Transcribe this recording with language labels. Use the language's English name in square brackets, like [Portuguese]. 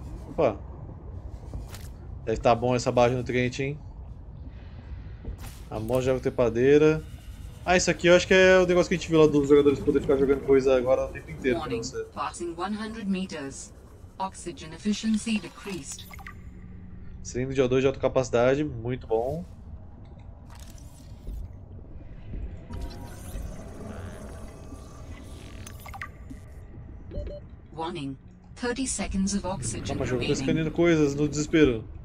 [Portuguese] Opa. Deve tá bom essa barra de nutriente, hein. A moja de trepadeira. Ah, isso aqui eu acho que é o negócio que a gente viu lá dos jogadores poder ficar jogando coisa agora o tempo inteiro. [English] Warning, passing 100 meters. Oxygen efficiency decreased. [Portuguese] Cilindro de O2 de alta capacidade, muito bom. [English] Warning. 30 seconds of oxygen. [Portuguese] Calma, jogo, tô escaneando coisas no desespero.